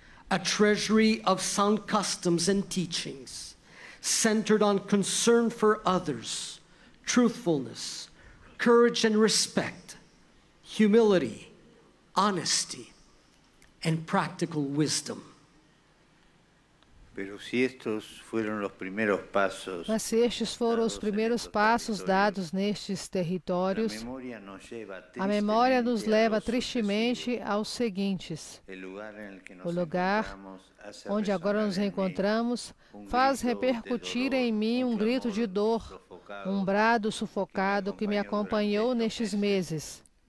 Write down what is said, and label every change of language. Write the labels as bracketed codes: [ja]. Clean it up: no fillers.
[en] A treasury of sound customs and teachings centered on concern for others, truthfulness, courage and respect, humility, honesty, and practical wisdom. [es] Pero si estos fueron los primeros pasos, [pt] mas se estes foram os primeiros passos dados nestes territórios, a memória nos leva tristemente aos seguintes. O lugar onde agora nos encontramos faz repercutir em mim um grito de dor, um brado sufocado que me acompanhou nestes meses.